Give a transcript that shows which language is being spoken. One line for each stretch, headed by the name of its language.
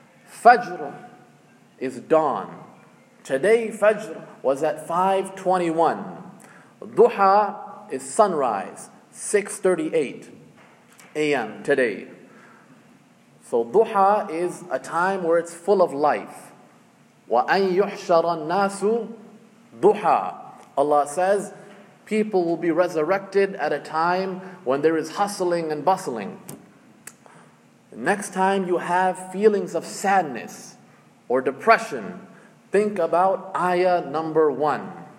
English: Fajr is dawn. Today Fajr was at 5:21. Duha is sunrise, 6:38 a.m. today. So Duha is a time where it's full of life.
Arabic: وَأَن يُحْشَرَ النَّاسُ Duha.
English: Allah says, people will be resurrected at a time when there is hustling and bustling. Next time you have feelings of sadness or depression, think about ayah number one.